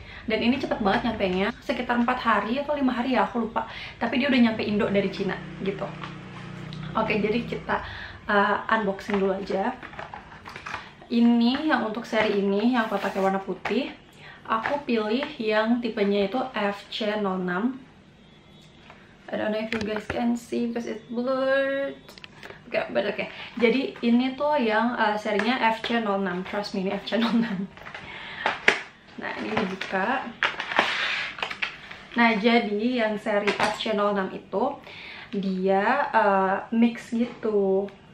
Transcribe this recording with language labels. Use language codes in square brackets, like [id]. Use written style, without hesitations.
[id] Dan ini cepet banget nyampenya, sekitar 4 hari atau 5 hari ya, aku lupa. Tapi dia udah nyampe Indo dari Cina gitu. Oke, jadi kita unboxing dulu aja. Ini yang untuk seri ini, yang aku pakai warna putih. Aku pilih yang tipenya itu FC06. [en] I don't know if you guys can see because it's blurred. Okay, but okay. [id] Jadi ini tuh yang serinya FC06. [en] Trust me, [id] ini FC06. Nah, ini dibuka. Nah, jadi yang seri FC06 itu dia mix gitu.